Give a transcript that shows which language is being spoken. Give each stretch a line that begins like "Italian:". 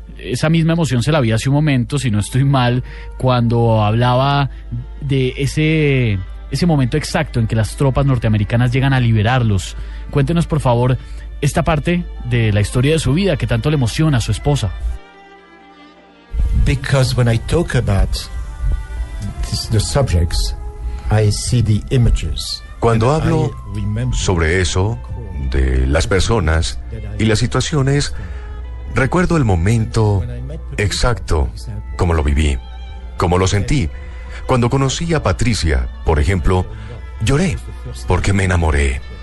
Spanish: Esa misma emoción se la vi hace un momento, si no estoy mal, cuando hablaba de ese momento exacto en que las tropas norteamericanas llegan a liberarlos. Cuéntenos, por favor, esta parte de la historia de su vida que tanto le emociona a su esposa.
English: Because when I talk about the subjects, I see the images.
Spanish: Cuando hablo sobre eso, de las personas y las situaciones, recuerdo el momento exacto como lo viví, como lo sentí. Cuando conocí a Patricia, por ejemplo, lloré porque me enamoré.